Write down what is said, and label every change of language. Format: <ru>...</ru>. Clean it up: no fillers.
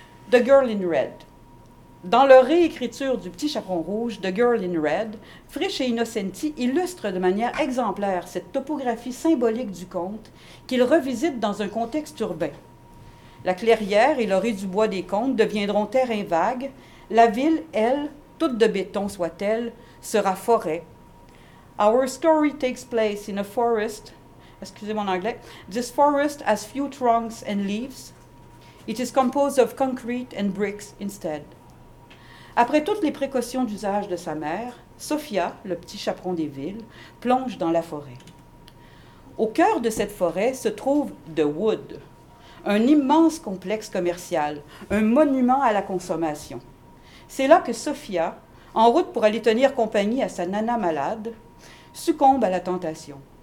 <fr>The Girl in Red. Dans leur réécriture du Petit Chaperon Rouge, The Girl in Red, Frisch et Innocenti illustrent de manière exemplaire cette topographie symbolique du conte qu'ils revisitent dans un contexte urbain. La clairière et l'orée du bois des contes deviendront terrain vague. La ville, elle, toute de béton soit-elle, sera forêt.</fr> <en>Our story takes place in a forest,</en> <fr>excusez mon anglais,</fr> <en>this forest has few trunks and leaves. It is composed of concrete and bricks instead.</en> <fr>Après toutes les précautions d'usage de sa mère, Sophia, le petit chaperon des villes, plonge dans la forêt. Au cœur de cette forêt se trouve The Wood, un immense complexe commercial, un monument à la consommation. C'est là que Sophia, en route pour aller tenir compagnie à sa nana malade, succombe à la tentation.</fr>